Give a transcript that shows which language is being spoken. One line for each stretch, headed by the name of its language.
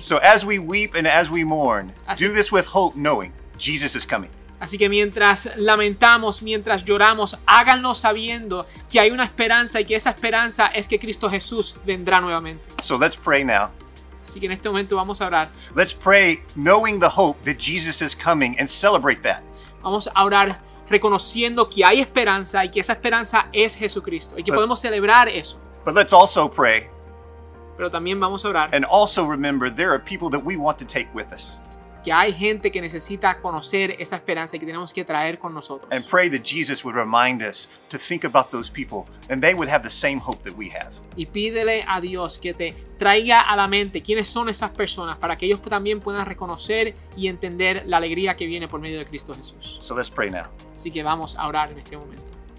English: So as we weep and as we mourn, do this with hope, knowing Jesus is coming.
Spanish: Así que mientras lamentamos, mientras lloramos, háganlo sabiendo que hay una esperanza y que esa esperanza es que Cristo Jesús vendrá nuevamente.
English: So let's pray now.
Spanish: Así que en este momento vamos a orar.
English: Let's pray knowing the hope that Jesus is coming and celebrate that.
Spanish: Vamos a orar reconociendo que hay esperanza y que esa esperanza es Jesucristo y que podemos celebrar eso.
English: But let's also pray.
Spanish: Pero también vamos a orar.
English: And also remember there are people that we want to take with us.
Spanish: Que hay gente que necesita conocer esa esperanza y que tenemos que traer con nosotros.
English: And pray that Jesus would remind us to think about those people and they would have the same hope that we have.
Spanish: Y pídele a Dios que te traiga a la mente quiénes son esas personas para que ellos también puedan reconocer y entender la alegría que viene por medio de Cristo Jesús.
English: So let's pray now.
Spanish: Así que vamos a orar en este momento.